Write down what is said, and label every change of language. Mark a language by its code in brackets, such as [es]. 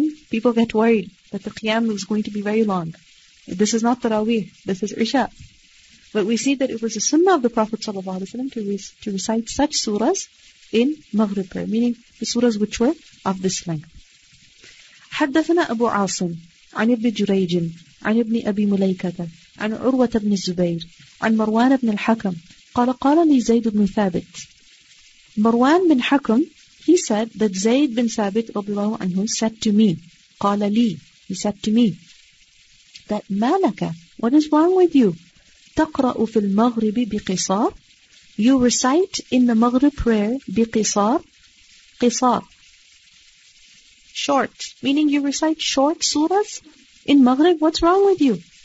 [en] People get worried that the Qiyam is going to be very long. This is not Taraweeh, this is Isha. But we see that it was a sunnah of the Prophet ﷺ to recite such surahs in Maghrib prayer, meaning the surahs which were of this length. [ar] حدثنا أبو عاصم عن ابن جريج عن ابن أبي مليكة عن عروة بن الزبير عن مروان بن الحكم قال قال لي زيد بن ثابت. [en] مروان بن حكم, he said that Zayd bin Thabit radiallahu anhu said to me, [ar] قَالَ لِي, [en] he said to me, that [ar] مَا لَكَ, [en] what is wrong with you? [ar] تَقْرَأُ فِي الْمَغْرِبِ بِقِصَارِ, [en] you recite in the Maghrib prayer بِقِصَارِ, قِصَار, short, meaning you recite short surahs in Maghrib. What's wrong with you?